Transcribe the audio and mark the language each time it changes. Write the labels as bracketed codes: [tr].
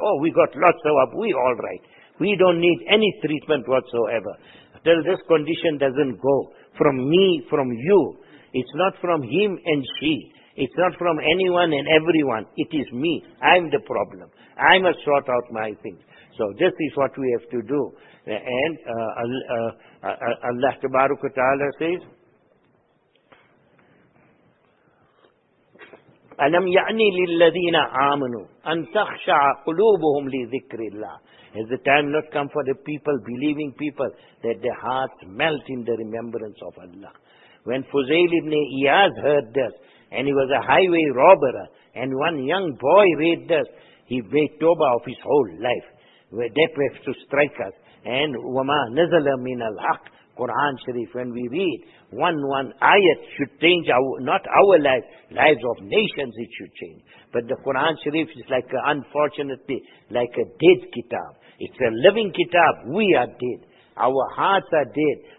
[en] Oh, we got lots of we all right. We don't need any treatment whatsoever. Till this condition doesn't go from me, from you. It's not from him and she. It's not from anyone and everyone. It is me. I'm the problem. I must sort out my things. So this is what we have to do. And Allah Tabaraka Ta'ala says, [ar] أَلَمْ يَعْنِي لِلَّذِينَ آمَنُوا أَنْ تَخْشَعَ قُلُوبُهُمْ لِذِكْرِ اللَّهِ. [en] Has the time not come for the people, believing people, that their hearts melt in the remembrance of Allah? When Fuzail ibn Iyaz heard this, and he was a highway robber, and one young boy read this, he made tawbah of his whole life. Where death has to strike us. And [ar] وَمَا نَزَلَ مِنَ الْحَقِّ. [en] Quran Sharif, when we read one ayat should change lives of nations, it should change. But the Quran Sharif is unfortunately like a dead kitab. It's a living kitab. We are dead. Our hearts are dead.